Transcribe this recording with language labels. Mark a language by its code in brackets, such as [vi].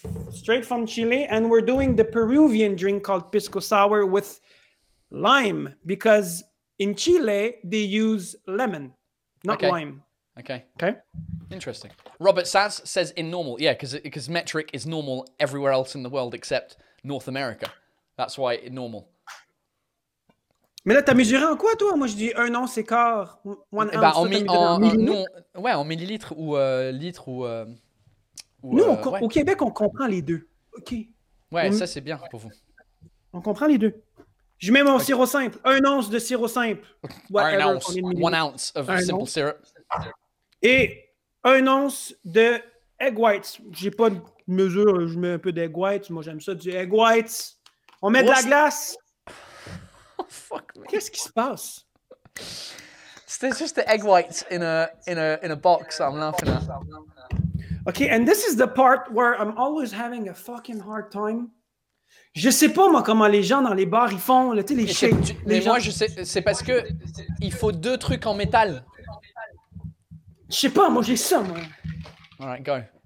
[en] Straight from Chile, and we're doing the Peruvian drink called pisco sour with lime, because in Chile, they use lemon, not lime. Okay. Okay. Interesting. Robert Sass says in normal. Yeah, because metric is normal everywhere else in the world except North America. That's why it's normal. [fr] Mais là, t'as mesuré en quoi, toi? Moi, je dis un once et quart. [en] One ounce. [fr] En millilitres. Ouais, en millilitres ou litres ou... Nous, au Québec, on comprend les deux. OK. Ouais, ça, c'est bien pour vous. On comprend les deux. Je mets mon sirop simple. Un once de sirop simple. [en] Whatever, un ounce. One ounce of un simple ounce. Syrup. [fr] Et un once de egg whites. J'ai pas de mesure. Je mets un peu d'egg whites. Moi, j'aime ça. Du egg whites. On met de la glace. [en] Oh, fuck me. [fr] Qu'est-ce qui se passe? [en] There's just the egg whites in a box. I'm laughing at. Okay, and this is the part where I'm always having a fucking hard time. [fr] Je sais pas moi comment les gens dans les bars ils font les shakes. C'est parce que il faut deux trucs en métal. Je sais pas, moi j'ai ça moi. [en] All right, go.